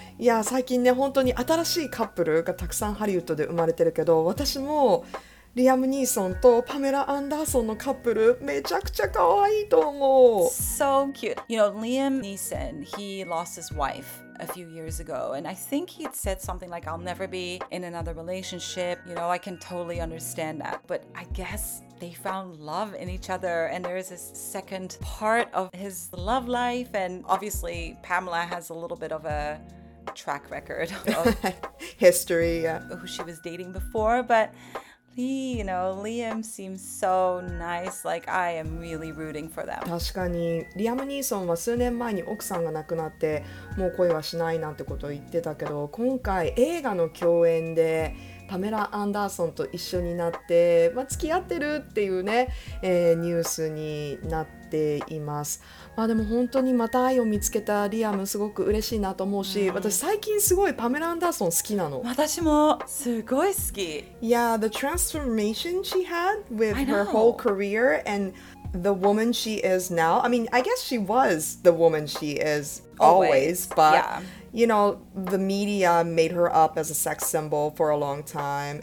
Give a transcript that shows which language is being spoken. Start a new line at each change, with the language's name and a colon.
Japanese: いや、最近ね、本当に新しいカップルがたくさんハリウッドで生まれてるけど、私もリアム・ニーソンとパメラ・アンダーソンのカップル、めちゃくちゃかわいいと思う。
English: So cute. You know, Liam Neeson, he lost his wife a few years ago, and I think he'd said something like, I'll never be in another relationship. You know, I can totally understand that. But I guess they found love in each other, and there is this second part of his love life, and obviously Pamela has a little bit of a track record of history, yeah. Who she was dating before, but You know, Liam seems so nice. Like, I am really rooting for them.
Japanese: 確かに、リアム・ニーソンは数年前に奥さんが亡くなって、もう恋はしないなんてことを言ってたけど、今回映画の共演で、パメラ・アンダーソンと一緒になって、まあ、付き合ってるっていうね、ニュースになっています。まあでも本当にまた愛を見つけたリアムすごく嬉しいなと思うし、うん、私最近すごいパメラ・アンダーソン好きなの。私もすごい好き。
English: Yeah, the transformation she had with her whole career and the woman she is now. I mean, I guess she was the woman she is always, but... Yeah. You know, the media made her up as a sex symbol for a long time.